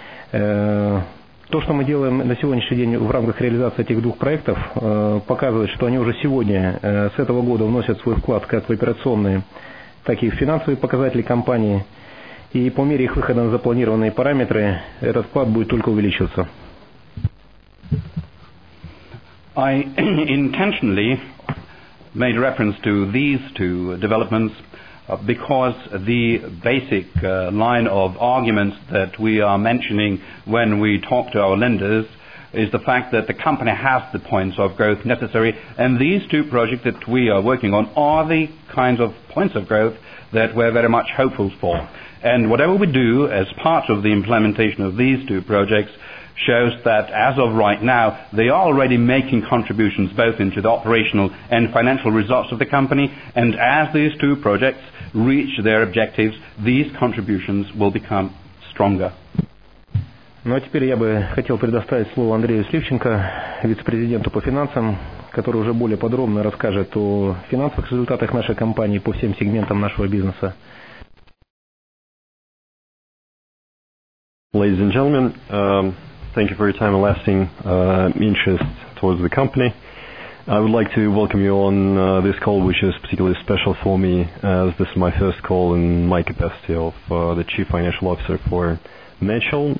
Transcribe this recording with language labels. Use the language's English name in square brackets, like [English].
[Russian] То, что мы делаем на сегодняшний день в рамках реализации этих двух проектов, показывает, что они уже сегодня, с этого года, вносят свой вклад как в операционные, так и в финансовые показатели компании. И по мере их выхода на запланированные параметры, этот вклад будет только увеличиваться. [English] I intentionally made reference to these two developments because the basic line of arguments that we are mentioning when we talk to our lenders is the fact that the company has the points of growth necessary, and these two projects that we are working on are the kinds of points of growth that we're very much hopeful for. And whatever we do as part of the implementation of these two projects shows that as of right now they are already making contributions both into the operational and financial results of the company, and as these two projects reach their objectives, these contributions will become stronger. [Russian] Ну а теперь я бы хотел предоставить слово Андрею Сливченко, вице-президенту по финансам, который уже более подробно расскажет о финансовых результатах нашей компании по всем сегментам нашего бизнеса. [English] Ladies and gentlemen, thank you for your time and lasting interest towards the company. I would like to welcome you on this call, which is particularly special for me, as this is my first call in my capacity of the Chief Financial Officer for Mitchell.